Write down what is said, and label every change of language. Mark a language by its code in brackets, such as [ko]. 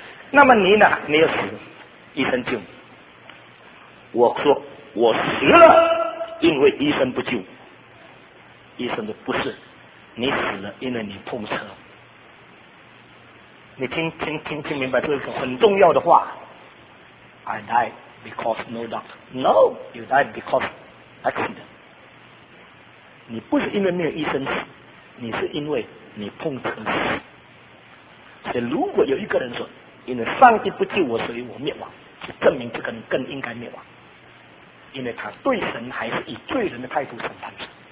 [zh] 那么你呢？没有死，医生救你。我说我死了，因为医生不救。医生说不是，你死了，因为你碰车。你听明白，这是很重要的话。 [en] I died because no doctor. No, you died because accident. [zh] 你不是因为没有医生死，你是因为你碰车死。所以如果有一个人说，因为上帝不救我，所以我灭亡，就证明这个人更应该灭亡，因为他对神还是以罪人的态度审判神。